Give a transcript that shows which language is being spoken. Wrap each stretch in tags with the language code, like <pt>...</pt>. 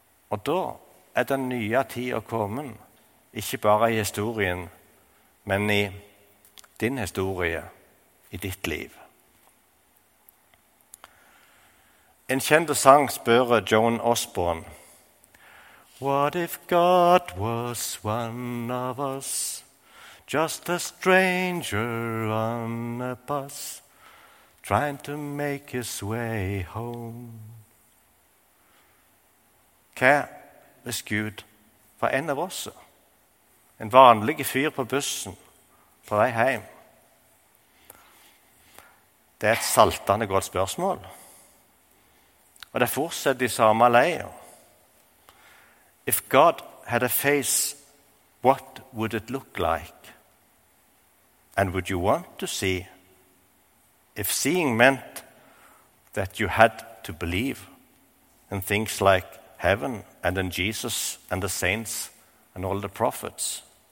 <no>Og da er den nye tiden kommet, ikke bare i historien, men i din historie, i ditt liv. En kjent sang spør Joan Osborne.</no> <en>What if God was one of us, just a stranger on a bus, trying to make his way home?</en> <no>Hva hvis Gud var en av oss? En vanlig fyr på bussen på vei hjem. Det er et saltende godt spørsmål. Og det fortsetter i samme leie.</no> <en>If God had a face, what would it look like? And would you want to see? If seeing meant that you had to believe in things like heaven and in Jesus and the saints and all the prophets.</en>